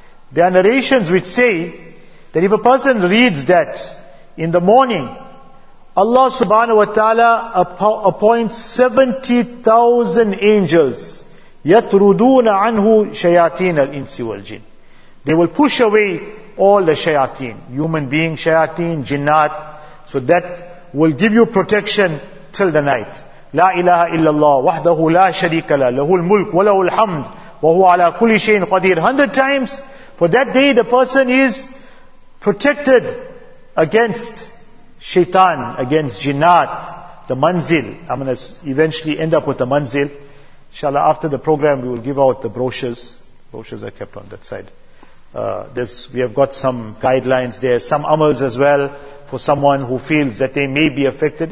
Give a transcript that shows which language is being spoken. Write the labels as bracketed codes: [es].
[en] There are narrations which say that if a person reads that in the morning, Allah subhanahu wa ta'ala appoints 70,000 angels. [ar] يَطْرُدُونَ عَنْهُ شَيَاطِينَ الْإِنْسِ وَالْجِنِ [en] They will push away all the shayateen, human beings, shayateen, jinnat. So that will give you protection till the night. [ar] لا إله إلا الله وحده لا شريك له له الملك وله الحمد وهو على كل شيء قدير [en] 100 times. For that day, the person is protected against shaitan, against jinnat, the manzil. I'm going to eventually end up with the manzil. Inshallah, after the program, we will give out the brochures. Brochures are kept on that side. We have got some guidelines there, some amals as well, for someone who feels that they may be affected.